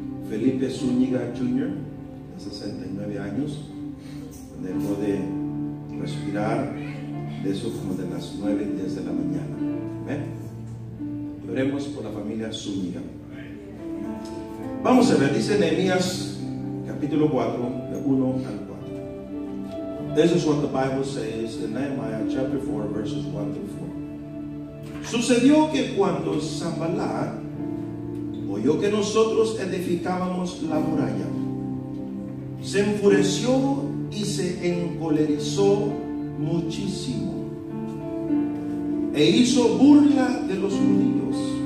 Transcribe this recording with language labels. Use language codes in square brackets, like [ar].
[es] Felipe Zúñiga Jr., 69 años, dejó de respirar, de eso como de las 9 y 10 de la mañana. ¿Eh? Oremos por la familia Zúñiga. Vamos a ver, dice Nehemías capítulo 4, de 1 al 4. [en] This is what the Bible says in Nehemiah chapter 4, verses 1 through 4. [es] Sucedió que cuando Sambalá oyó que nosotros edificábamos la muralla, se enfureció y se encolerizó muchísimo e hizo burla de los judíos.